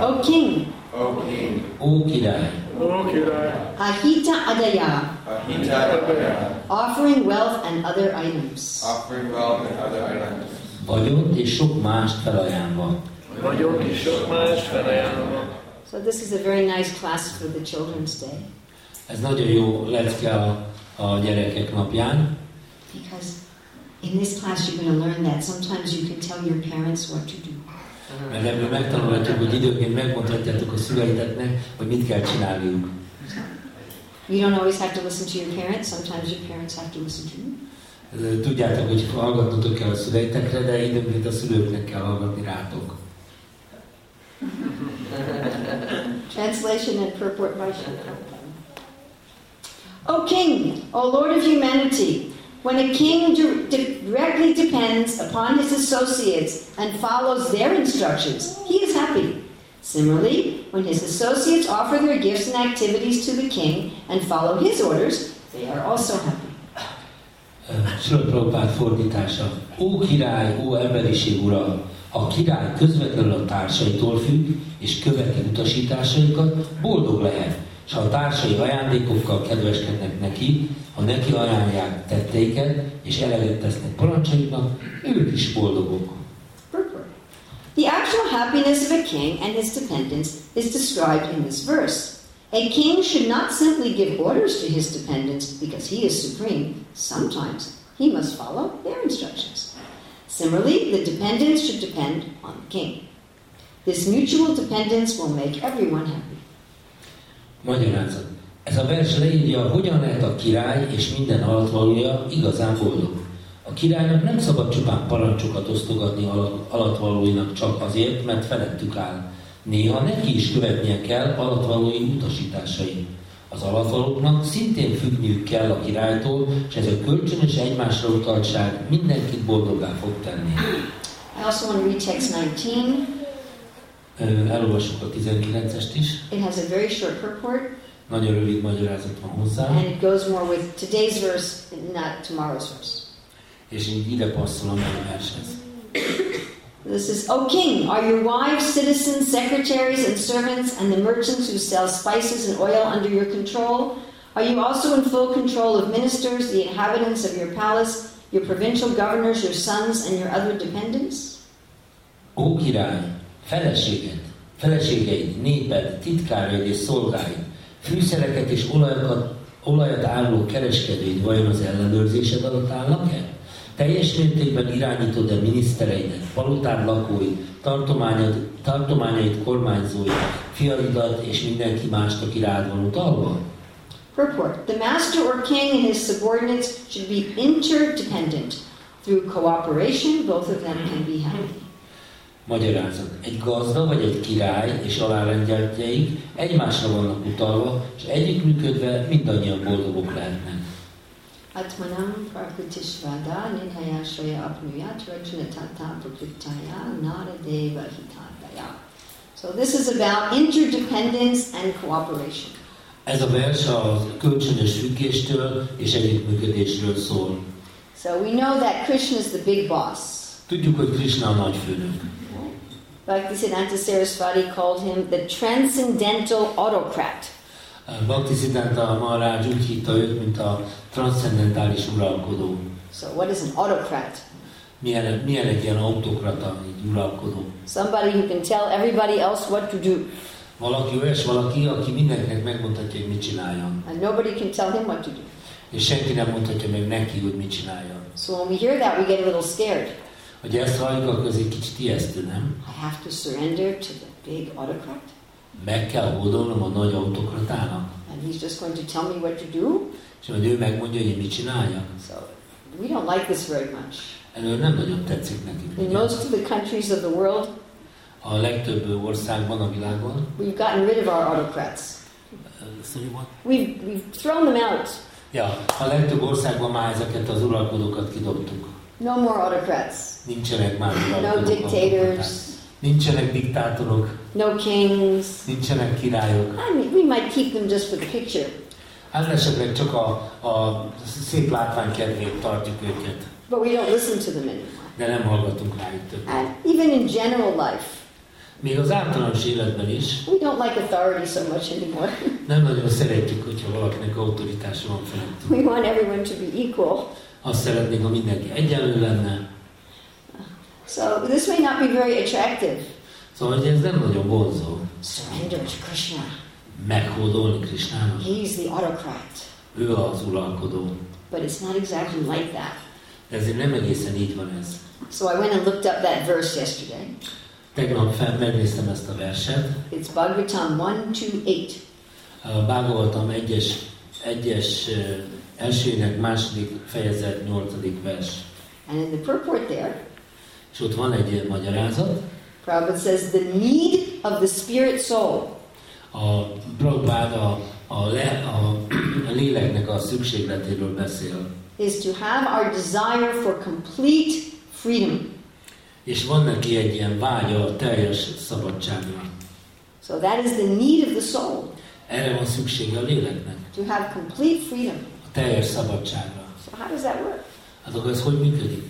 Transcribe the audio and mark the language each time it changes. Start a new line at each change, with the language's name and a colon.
English: O king. O king.
Hungarian: O király. O király.
Sanskrit: Ahita adaya. Ahita adaya.
English: Offering wealth and other items. Offering wealth and other items.
Hungarian: Vagyont és sok mást felajánlva. Vagyont és sok mást felajánlva.
English: So this is a very nice class for the children's day.
Hungarian: Ez nagyon jó lecke a gyerekek napján.
English: Because in this class you're going to learn that sometimes you can tell your parents what to do.
Hungarian: Mert ebből megtanulhatjuk, hogy időként megmondhatjátok a szüleiteknek, hogy mit kell csinálniuk.
English: You don't always have to listen to your parents. Sometimes your parents have to listen to you.
Hungarian: Tudjátok, hogy hallgatnotok kell a szüleitekre, de időként a szülőknek kell hallgatni rátok.
English: Translation and purport by Shankar. O King, O Lord of Humanity, when a king directly depends upon his associates and follows their instructions, he is happy. Similarly, when his associates offer their gifts and activities to the king and follow his orders, they are also happy.
Hungarian: Srila Prabhupada fordítása. Ó király, ó emberiség ura! A király közvetlenül a társaitól függ, és követi utasításaikat, boldog lehet. És ha a társai ajándékokkal kedveskednek neki, ha neki ajánlják tetteiket, és eleget tesznek parancsaiknak, ők is boldogok.
English: The actual happiness of a king and his dependents is described in this verse. A king should not simply give orders to his dependents because he is supreme. Sometimes he must follow their instructions. Similarly, the dependents should depend on the king. This mutual dependence will make everyone happy.
Hungarian: Magyarázat. Ez a vers leírja, hogyan lehet a király és minden alattvalója igazán boldog. A királynak nem szabad csupán parancsokat osztogatni alattvalóinak csak azért, mert felettük áll. Néha neki is követnie kell alattvalói utasításait. Az alattvalóknak szintén függniük kell a királytól, és ez a kölcsönös egymásra utaltság mindenkit boldoggá fog tenni.
English: I also want to read text 19.
Hungarian: Elolvassuk a 19-est is.
English: It has a very short purport.
Hungarian: Nagyon rövid magyarázat van hozzá.
English: And it goes more with today's verse, not tomorrow's verse.
Hungarian: És így ide passzolom a vershez.
English: This is, O king, are your wives, citizens, secretaries, and servants, and the merchants who sell spices and oil under your control? Are you also in full control of ministers, the inhabitants of your palace, your provincial governors, your sons, and your other dependents?
Hungarian: O király, feleséged, feleségeid, néped, titkáraid és szolgáid, fűszereket és olajat álló kereskedőid vajon az ellenőrzésed alatt állnak-e? Teljes mértékben irányítod a minisztereidet, palotád lakói, tartományait kormányzói, fiaidat és mindenki mást, aki rád van utalva?
English: Purport. The master or king and his subordinates should be interdependent. Through cooperation, both of them can be happy.
Hungarian: Magyarázat. Egy gazda vagy egy király és alárendeltjeik egymásra vannak utalva, és együtt működve mindannyian boldogok lehetnek.
Sanskrit: Atmanam prakritishvada ninhaya shreya apnuyat rajna tata prakritaya naradeva hitataya.
English: So this is about interdependence and cooperation.
Hungarian: Ez a vers a kölcsönös függéstől és együttműködésről szól.
English: So we know that Krishna is the big boss.
Hungarian: Tudjuk, hogy Krishna a nagyfőnök.
English: Bhakti Siddhanta Sarasvati called him the transcendental autocrat.
Hungarian: Bhakti Siddhanta Maharaj úgy hívta őt, mint a transzcendentális uralkodó.
English: So what is an autocrat?
Hungarian: Milyen egy ilyen autokrata, egy uralkodó.
English: Somebody who can tell everybody else what to do.
Hungarian: Valaki olyas, valaki, aki mindenkinek megmondhatja, hogy mit csináljon.
English: And nobody can tell him what to do.
Hungarian: És senki nem mondhatja meg neki, hogy mit csináljon.
English: So when we hear that, we get a little scared.
Hungarian: Hogy ezt halljuk, akkor ez egy kicsit ijesztő, nem?
English: I have to surrender to the big autocrat.
Hungarian: Meg kell hódolnom a nagy autokratának.
English: And he's just going to tell me what to do.
Hungarian: És majd ő megmondja, hogy mit csináljon.
English: So we don't like this very much.
Hungarian: Erről nem nagyon tetszik neki.
English: In most of the countries of the world,
Hungarian: a legtöbb országban a világon,
English: we've gotten rid of our autocrats. We've thrown them out.
Hungarian: Ja, a legtöbb országban már ezeket az uralkodókat kidobtuk.
English: No more autocrats.
Hungarian: Nincsenek már uralkodók.
English: No dictators.
Hungarian: Nincsenek diktátorok.
English: No kings.
Hungarian: Nincsenek királyok.
English: I mean, we might keep them just for the picture.
Hungarian: Az esetleg csak a szép látvány kedvéért tartjuk őket.
English: But we don't listen to them anymore.
Hungarian: De nem hallgatunk rájuk többet.
English: And even in general life.
Hungarian: Még az általános életben is.
English: We don't like authority so much anymore.
Hungarian: Nem nagyon szeretjük, hogyha valakinek autoritása van felettünk.
English: We want everyone to be equal.
Hungarian: Azt szeretnénk, ha mindenki egyenlő lenne.
English: So this may not be very attractive.
Hungarian: Szóval ez nem nagyon vonzó.
English: Surrender to Krishna.
Hungarian: Meghódolni Krisnának.
English: He's the autocrat.
Hungarian: Ő az uralkodó.
English: But it's not exactly like that.
Hungarian: Ezért nem egészen így van ez.
English: So I went and looked up that verse yesterday.
Hungarian: Tegnap megnéztem ezt a verset.
English: It's Bhagavatam 1:2:8.
Hungarian: Bhagavatam 1-es elsőnek második fejezet 8. vers.
English: And in the purport there.
Hungarian: És ott van egy magyarázat.
English: Prabhupada says the need of the spirit soul.
Hungarian: A Prabhupada a léleknek a szükségletéről beszél.
English: Is to have our desire for complete freedom.
Hungarian: És van neki egy ilyen vágya a teljes szabadságra.
English: So that is the need of the soul.
Hungarian: Erre van szüksége a léleknek.
English: To have complete freedom.
Hungarian: A teljes szabadságra.
English: So how does that work?
Hungarian: Hát akkor ez hogy működik?